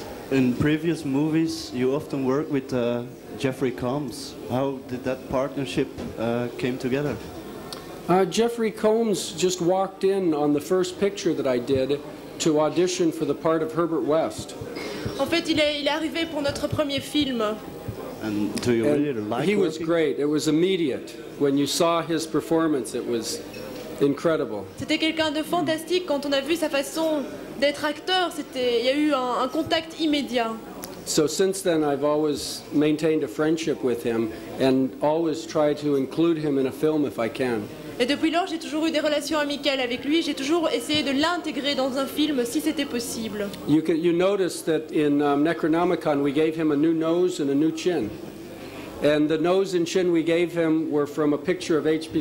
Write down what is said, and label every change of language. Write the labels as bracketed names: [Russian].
[English] In previous movies, you often worked with Jeffrey Combs. How did that partnership came together? Jeffrey Combs just walked in on the first picture that I did to audition for the part of Herbert West. [French] En fait, il est arrivé pour notre premier film. [English] And do you really like working? He was great. It was immediate. When you saw his performance, it was incredible. [French] C'était quelqu'un de fantastique quand on a vu sa façon d'être acteur. Il y a eu un contact immédiat. [English] So since then, I've always maintained a friendship with him and always try to include him in a film if I can. [French] Et depuis lors, j'ai toujours eu des relations amicales avec lui. J'ai toujours essayé de l'intégrer dans un film, si c'était possible. [English] You notice that in Necronomicon, we gave him a new nose and a new chin. And the nose and chin we gave him were from a picture of H.P.